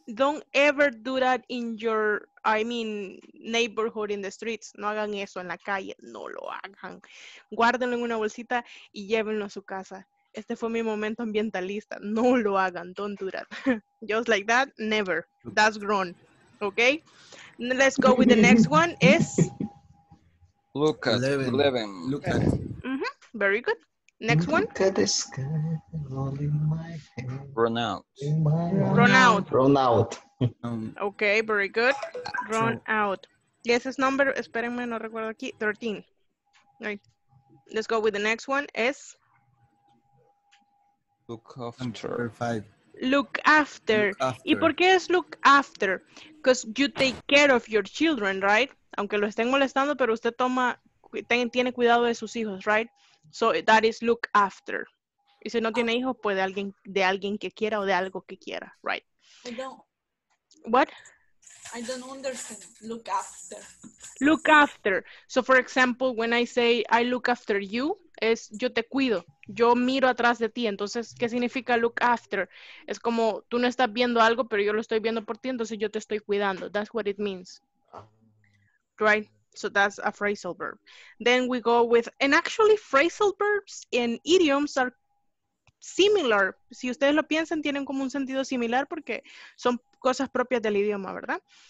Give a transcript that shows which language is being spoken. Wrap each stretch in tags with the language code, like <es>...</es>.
<en>Don't ever do that in your, I mean, neighborhood in the streets.</en> <es>No hagan eso en la calle. No lo hagan. Guárdenlo en una bolsita y llévenlo a su casa. Este fue mi momento ambientalista. No lo hagan.</es> <en>Don't do that. Just like that, never. That's grown. Okay? Let's go with the next one. Is look at 11. Look at. Mm-hmm. Very good. Next one. Look at the sky. Roll in my head. Run out. Run out. Okay, very good. Run out. Yes, it's number,</en> <es>espérenme, no recuerdo aquí,</es> <en>13. Right. Let's go with the next one, is? Look after. Look after.</en> <es>¿Y por qué es</es> <en>look after? Because you take care of your children, right?</en> <es>Aunque lo estén molestando, pero usted toma, tiene cuidado de sus hijos, right?</es> <en>So that is look after.</en> <es>Y si no tiene hijos, pues de alguien que quiera o de algo que quiera, right?</es> <en>What? I don't understand. Look after. Look after. So, for example, when I say I look after you,</en> <es>es yo te cuido. Yo miro atrás de ti. Entonces, ¿qué significa look after? Es como tú no estás viendo algo, pero yo lo estoy viendo por ti. Entonces, yo te estoy cuidando.</es> <en>That's what it means.</en> <es>Right?</es> <en>So, that's a phrasal verb. Then we go with, and actually, phrasal verbs and idioms are similar.</en> <es>Si ustedes lo piensan, tienen como un sentido similar porque son cosas propias del idioma, ¿verdad?</es>